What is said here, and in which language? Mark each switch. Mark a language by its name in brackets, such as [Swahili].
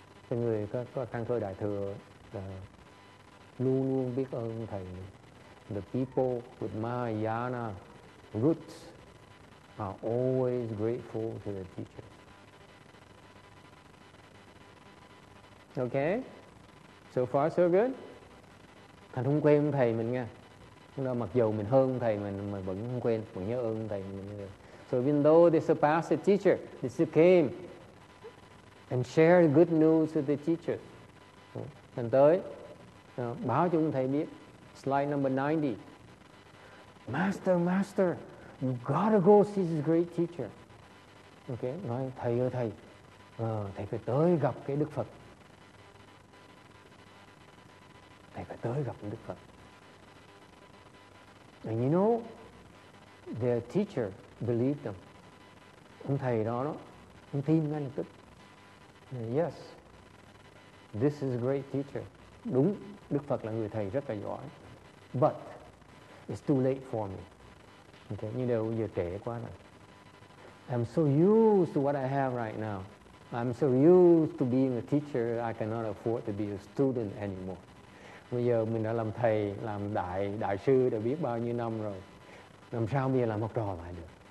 [Vietnamese] Cái người có căn cơ đại thừa là luôn luôn biết ơn thầy. [English] The people with Mahayana roots are always grateful to the teacher. Okay? So far, so good? [Vietnamese] thành không quên thầy mình nghe. Nó mặc dù mình hơn thầy mà vẫn không quên, vẫn nhớ ơn thầy mình. So even though they surpassed the teacher, they still came and shared good news with the teacher. Thành tới báo cho ông thầy biết. [English] Slide number 90. Master, master, you gotta go see this great teacher. [Vietnamese] Okay, nói thầy ơi thầy, thầy phải tới gặp cái Đức Phật. Thầy phải tới gặp Đức Phật. [English] And you know, their teacher believed them. [Vietnamese] Ông thầy đó, ông tin ngay lập tức. [English] Yes, this is a great teacher. [Vietnamese] Đúng, Đức Phật là người thầy rất là giỏi. [English] But it's too late for me. [Vietnamese] Okay, như đều giờ trễ quá rồi. [English] I'm so used to what I have right now. I'm so used to being a teacher, I cannot afford to be a student anymore. [Vietnamese] Bây giờ mình đã làm thầy, làm đại sư đã biết bao nhiêu năm rồi. Làm sao bây giờ làm học trò lại được?